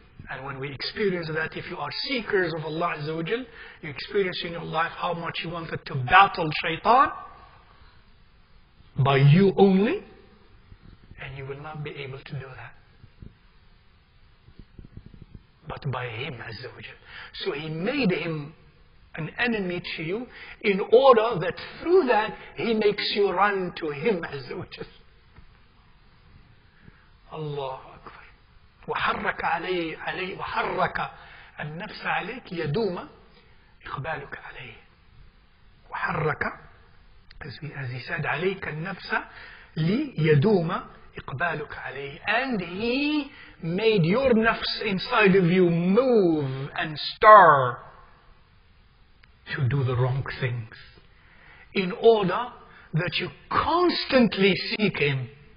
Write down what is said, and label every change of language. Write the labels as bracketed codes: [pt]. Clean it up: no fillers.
[en] And when we experience that, if you are seekers of Allah Azza wa Jal, you experience in your life how much you wanted to battle shaitan by you only, and you will not be able to do that. But by him Azza wa Jal. So he made him an enemy to you in order that through that he makes you run to him Azza wa Jal. Allah. [ar] وَحَرَّكَ عَلَيْهِ وَحَرَّكَ النَّفْسَ عَلَيْكِ يَدُومَ إِقْبَالُكَ عَلَيْهِ وَحَرَّكَ, [en] as he said, [ar] عَلَيْكَ النَّفْسَ لِيَدُومَ إِقْبَالُكَ عَلَيْهِ. [en] And he made your nafs inside of you move and stir to do the wrong things in order that you constantly seek him.